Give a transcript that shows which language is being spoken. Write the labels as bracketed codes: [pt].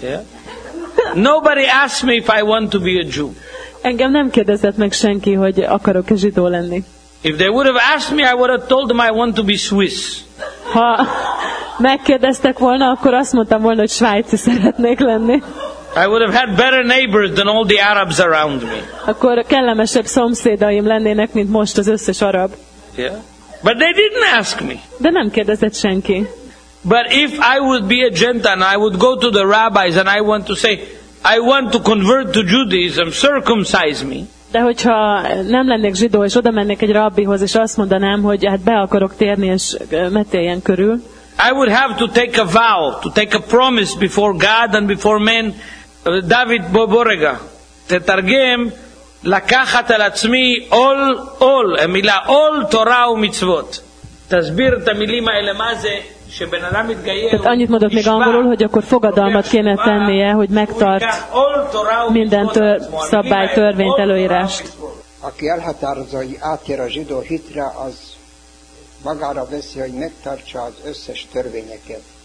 [en] Yeah. Nobody asked me if I want to be a Jew. [hu] Engem nem kérdezett meg senki, hogy akarok-e zsidó lenni. [en] If they would have asked me, I would have told them I want to be Swiss. [hu] Ha megkérdeztek volna, akkor azt mondtam volna, hogy svájci szeretnék lenni. [en] I would have had better neighbors than all the Arabs around me. [hu] Akkor kellemesebb szomszédaim lennének, mint most az összes arab. [en] Yeah. But they didn't ask me. [hu] De nem kérdezett senki. [en] But if I would be a Gentile, I would go to the rabbis and I want to say, I want to convert to Judaism, circumcise me. [hu] De hogyha nem lennék zsidó, és oda mennék egy rabbihoz, és azt mondanám, hogy hát be akarok térni, és metéljen körül. [en] I would have to take a vow, to take a promise before God and before men. David Boborega. [he] Tetargem, לקחת על עצמי עול, עול, המילה עול תורה ומצוות. תסביר את המילים האלה, מה זה שבן אדם מתגייר? [hu] Tehát annyit mondok még angolul, hogy akkor fogadalmat kéne tennie, hogy megtart minden szabály, törvényt, előírást. Aki elhatározza, hogy átér a zsidó hitre, az magára veszi, hogy megtartsa az összes törvényeket.